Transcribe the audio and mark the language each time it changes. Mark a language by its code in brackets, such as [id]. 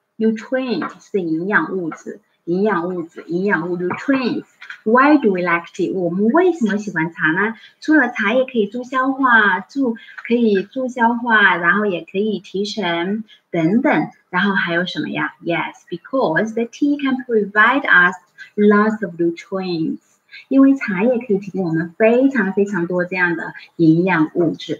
[zh] Nutrient 是营养物质。营养物 nutrients. [en] Why do we like tea? [zh] 我们为什么喜欢茶呢？除了茶也可以助消化，可以助消化，然后也可以提神等等，然后还有什么呀？ [en] Yes, because the tea can provide us lots of nutrients. [zh] 因为茶也可以提供我们非常非常多这样的营养物质。